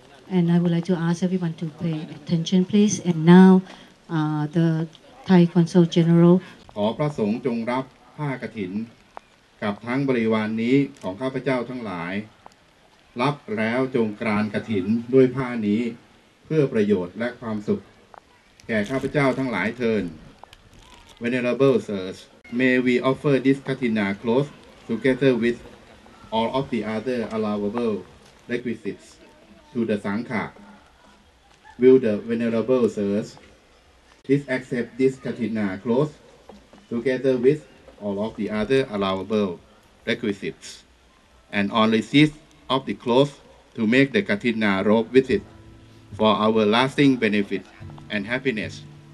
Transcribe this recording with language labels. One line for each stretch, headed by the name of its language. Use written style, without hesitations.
English: And I would like to ask everyone to pay attention, please. And now, the Thai Consul General.
Thai: ขอพระสงฆ์จงรับผ้ากฐินกับทั้งบริวารนี้ของข้าพเจ้าทั้งหลายรับแล้วจงกรานกฐินด้วยผ้านี้เพื่อประโยชน์และความสุขแก่ข้าพเจ้าทั้งหลายเทอญ
English: Venerable Sirs, may we offer this katina cloth together with all of the other allowable requisites to the Sangha. Will the Venerable Sirs please accept this katina cloth together with all of the other allowable requisites, and on receipt of the cloth to make the katina robe with it for our lasting benefit and happiness.